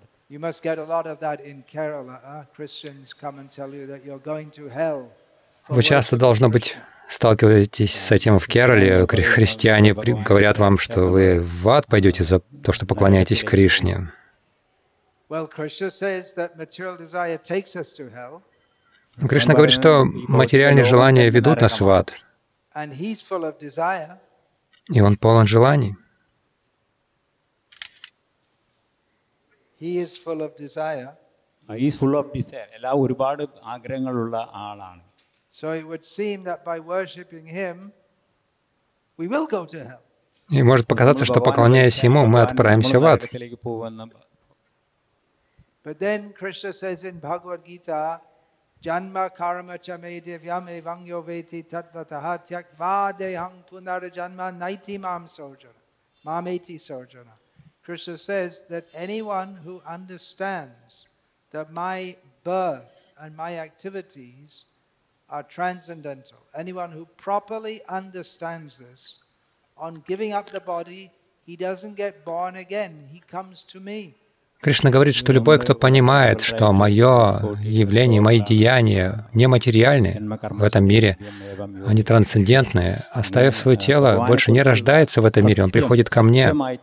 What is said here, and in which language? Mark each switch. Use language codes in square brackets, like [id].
[en] You must get a lot of that in Kerala. Christians come and tell you that you're going to hell. [ru] Вы часто, должно быть, сталкиваетесь с этим в Керале. Христиане говорят вам, что вы в ад пойдете за то, что поклоняетесь Кришне. [en] Well, Krishna says that material desire takes us to hell. [ru] Кришна говорит, что материальные желания ведут нас в ад. [en] And he's full of desire. [ru] И он полон желаний. [en] He is full of desire. He is full of desire. [ml] Ella oru paadu aagrahangal ulla aalaanu. [en] So it would seem that by worshipping him, [ru] И может показаться, что поклоняясь Ему, мы отправимся в ад. [en] Krishna says that anyone who understands that my birth and my activities are transcendental, anyone who properly understands this, on giving up the body, he doesn't get born again. He comes to me. [ru] Кришна говорит, что любой, кто понимает, что мое явление, мои деяния нематериальны в этом мире, они трансцендентны, оставив свое тело, больше не рождается в этом мире, он приходит ко мне.